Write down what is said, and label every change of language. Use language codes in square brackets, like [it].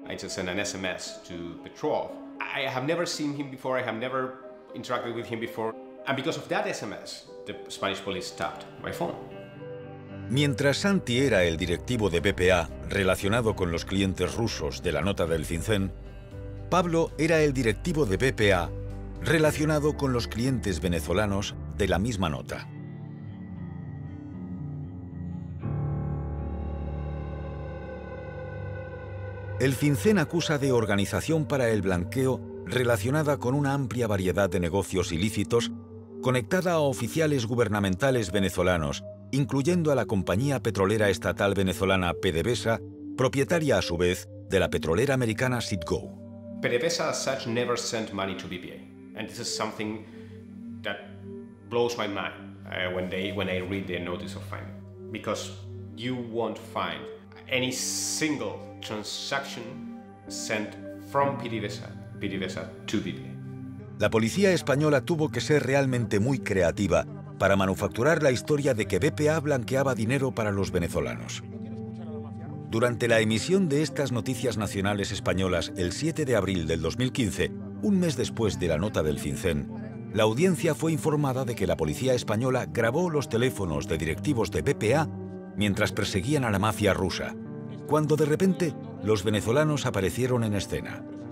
[en] I just sent an SMS to Petrov. I have never seen him before, I have never interacted with him before. And because of that SMS, the Spanish police tapped my phone. [es] Mientras Santi era el directivo de BPA relacionado con los clientes rusos de la nota del FinCEN, Pablo era el directivo de BPA relacionado con los clientes venezolanos de la misma nota. El FinCEN acusa de organización para el blanqueo relacionada con una amplia variedad de negocios ilícitos conectada a oficiales gubernamentales venezolanos, incluyendo a la compañía petrolera estatal venezolana PDVSA, propietaria a su vez de la petrolera americana Citgo. [en] PDVSA as such never sent money to BPA. And this is something that blows my mind when I read the notice of fine. Because you won't find any single transaction sent from PDVSA to BPA. [es] La policía española tuvo que ser realmente muy creativa para manufacturar la historia de que BPA blanqueaba dinero para los venezolanos. Durante la emisión de estas noticias nacionales españolas el 7 de abril del 2015, un mes después de la nota del FinCEN, la audiencia fue informada de que la policía española grabó los teléfonos de directivos de BPA mientras perseguían a la mafia rusa, cuando de repente los venezolanos aparecieron en escena.